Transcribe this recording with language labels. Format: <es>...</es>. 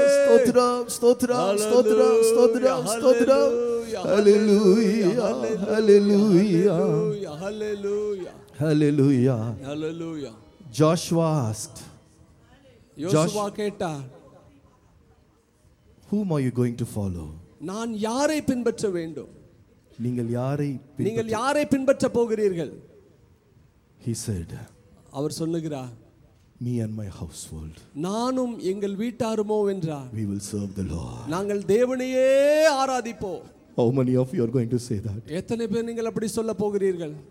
<ta>ஸ்தோத்திரம், ஸ்தோத்திரம், ஸ்தோத்திரம், ஸ்தோத்திரம, ஸ்தோத்திரம்.</ta> <en>Hallelujah. Hallelujah. Hallelujah. Hallelujah. Hallelujah. Joshua asked.</en> <ta>Joshua கேட்டார்,</ta> <en>Whom are you going to follow?</en> <ta>நான் யாரை பின்பற்ற வேண்டும்? நீங்கள் யாரை பின்பற்ற போகிறீர்கள்?</ta> <en>He said.</en> <ta>அவர் சொல்லுகிறார்,</ta> <en>Me and my household.</en> <ta>நானும் எங்கள் வீட்டாருமோ என்றார்.</ta> <en>We will serve the Lord.</en> <ta>நாங்கள் தேவனையே ஆராதிப்போம்.</ta> <en>How many of you are going to say that?</en> <ta>எத்தனை பேர் நீங்கள் அப்படி சொல்ல போகிறீர்கள்?</ta>